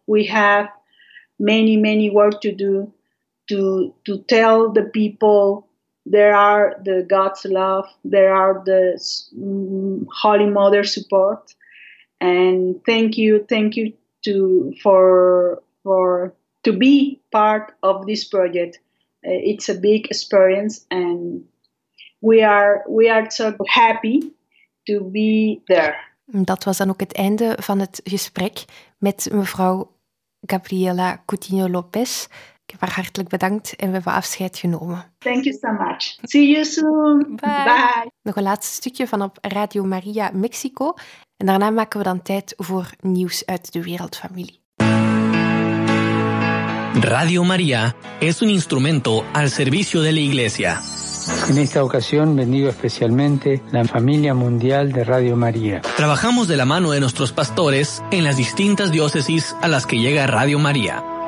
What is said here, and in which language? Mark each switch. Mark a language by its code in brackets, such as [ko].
[en] We have many, many work to do to tell the people there are the God's love, there are the Holy Mother support. And thank you to be part of this project. It's a big experience, and we are so happy to be there. [nl] Dat was dan ook het einde van het gesprek met mevrouw Gabriella Coutinho Lopez. Ik heb haar hartelijk bedankt en we hebben afscheid genomen. [en] Thank you so much. See you soon. Bye. Bye. [nl] Nog een laatste stukje van op Radio Maria Mexico. En daarna maken we dan tijd voor nieuws uit de wereldfamilie. [es] Radio Maria es un instrumento al servicio de la Iglesia. En esta ocasión bendigo especialmente la familia mundial de Radio María. Trabajamos de la mano de nuestros pastores en las distintas diócesis a las que llega Radio María.